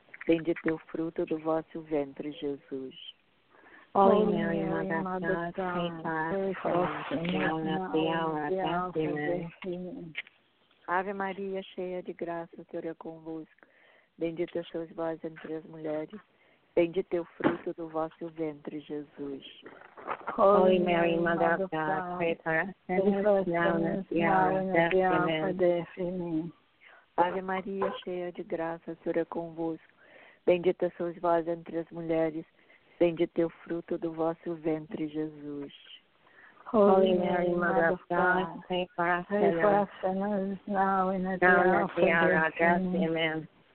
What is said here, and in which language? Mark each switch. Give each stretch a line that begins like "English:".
Portuguese: Bendito é o fruto do vosso ventre, Jesus.
English: Holy Mary, Mother of God, pray for us sinners now and at the hour of death. Amen.
Portuguese: Ave Maria, cheia de graça, o Senhor é convosco. Bendita sois vós entre as mulheres. Bendito é o fruto do vosso ventre, Jesus.
English: Holy Mary, Mother of God, pray for us sinners, now and at the hour of death. Amen.
Portuguese: Ave Maria, cheia de graça, o Senhor é convosco. Bendita sois vós entre as mulheres. Bendito é o fruto do vosso ventre, Jesus.
English: Holy Mary, Mother of God, pray for us sinners, now and at the hour of death. Amen.